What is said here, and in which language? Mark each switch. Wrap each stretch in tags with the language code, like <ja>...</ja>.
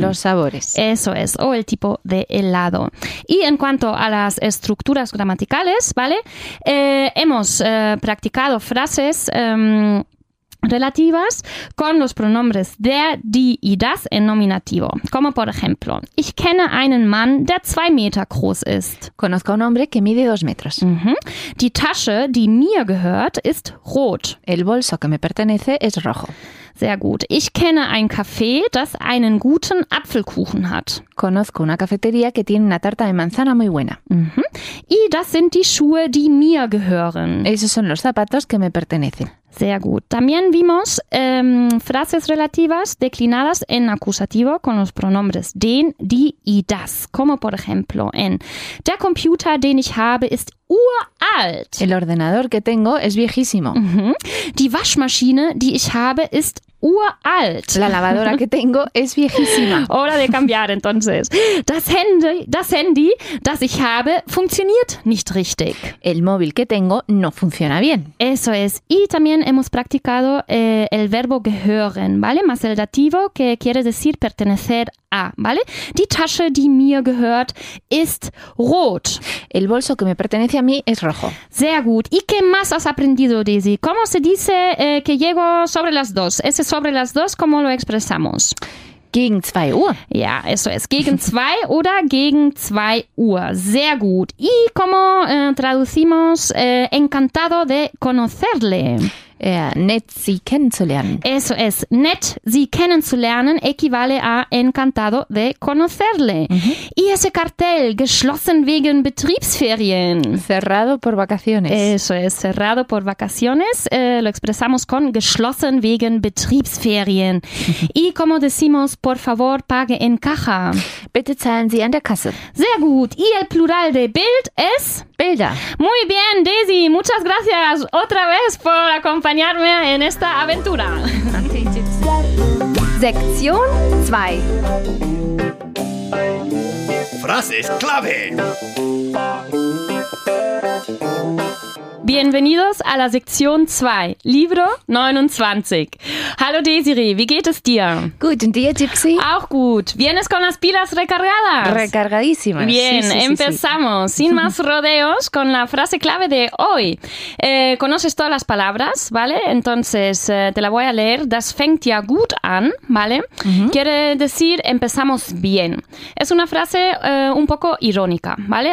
<es>Los sabores. Eso es. O el tipo de helado. Y en cuanto a las estructuras gramaticales, ¿vale? Hemos practicado frases relativas con los pronombres der, die y das en nominativo. Como por ejemplo,</es> <de>ich kenne einen Mann, der 2 Meter groß ist.</de> <es>Conozco a un hombre que mide 2 metros. Uh-huh.</es> <de>Die Tasche, die mir gehört, ist rot.</de> <es>El bolso que me pertenece es rojo.</es> <de>Sehr gut. Ich kenne ein Café, das einen guten Apfelkuchen hat.</de> <es>Conozco una cafetería que tiene una tarta de manzana muy buena.</es> <de>Uh-huh. Y das sind die Schuhe, die mir gehören.</de> <es>Esos son los zapatos que me pertenecen.</es> <de>Sehr gut.</de> <es>También vimos frases relativas declinadas en acusativo con los pronombres den, die y das. Como por ejemplo en</es> <de>der Computer, den ich habe, ist uralt.</de> <es>El ordenador que tengo es viejísimo. Uh-huh.</es> <de>Die Waschmaschine, die ich habe, ist uralt.</de> <es>La lavadora que tengo es viejísima. Hora de cambiar, entonces.</es> <de>Das Handy, das ich habe, funktioniert nicht richtig.</de> <es>El móvil que tengo no funciona bien. Eso es. Y también hemos practicado el verbo gehören, ¿vale? Más el dativo, que quiere decir pertenecer a, ¿vale?</es> <de>Die Tasche, die mir gehört, ist rot.</de> <es>El bolso que me pertenece a mí es rojo.</es> <de>Sehr gut.</de> <es>¿Y qué más has aprendido, Daisy? ¿Cómo se dice que llego sobre las 2? Sobre las 2, ¿cómo lo expresamos?</es> <de>Gegen 2 Uhr. Ja,</de> <es>eso es.</es> <de>Gegen 2 oder gegen 2 Uhr. Sehr gut.</de> <es>¿Y cómo traducimos encantado de conocerle?</es> <de>Nett sie kennenzulernen.</de> <es>Eso es.</es> <de>Nett sie kennenzulernen</de> <es>equivale a encantado de conocerle. Uh-huh. Y ese cartel,</es> <de>geschlossen wegen Betriebsferien.</de> <es>Cerrado por vacaciones. Eso es, cerrado por vacaciones. Lo expresamos con</es> <de>geschlossen wegen Betriebsferien.</de> <es>Uh-huh. Y como decimos, por favor, pague en caja.</es> <de>Bitte zahlen Sie an der Kasse. Sehr gut.</de> <es>Y el plural de Bild es...</es> <de>Bilder.</de> <es>Muy bien, Daisy. Muchas gracias otra vez por acompañarme en esta aventura. Sección 2. Frases clave. Bienvenidos a la sección 2, libro 29.</es> <de>Hallo Desiree, wie geht es dir? Guten Tag, Gypsy. Auch gut.</de> <es>¿Vienes con las pilas recargadas? Recargadísimas. Bien, sí, empezamos. Sí, sí. Sin más rodeos, con la frase clave de hoy. Conoces todas las palabras, ¿vale? Entonces, te la voy a leer.</es> <de>Das fängt ja gut an,</de> <es>¿vale? Uh-huh. Quiere decir, empezamos bien. Es una frase un poco irónica, ¿vale?</es>